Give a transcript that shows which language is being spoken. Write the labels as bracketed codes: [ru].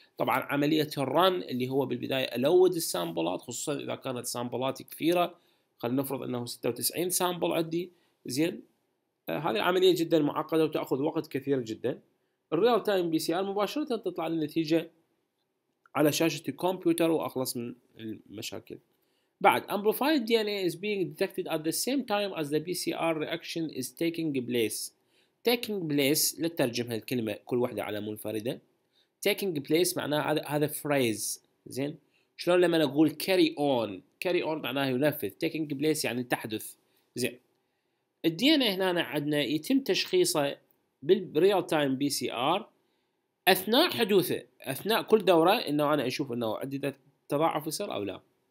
[ar] طبعا عمليه الران اللي هو بالبدايه الود السامبلات، خصوصا اذا كانت سامبلات كثيره، خلينا نفرض انه 96 سامبل عندي. زين، هذه العملية جدا معقدة وتأخذ وقت كثير جدا. الريال تايم بي سي آر مباشرة تطلع النتيجة على شاشة الكمبيوتر وأخلص من المشاكل. [en] بعد، amplified DNA is being detected at the same time as the PCR reaction is taking place. [ar] taking place، لترجم هالكلمة كل واحدة على منفردة، taking place معناها هذا phrase. زين، شلون لما نقول carry on؟ carry on معناها ينفذ، taking place يعني تحدث. زين، الدي ان اي هنا عندنا يتم تشخيصه بالريال تايم بي سي ار اثناء حدوثه، اثناء كل دوره، انه انا اشوف انه عندي تضاعف يصير او لا.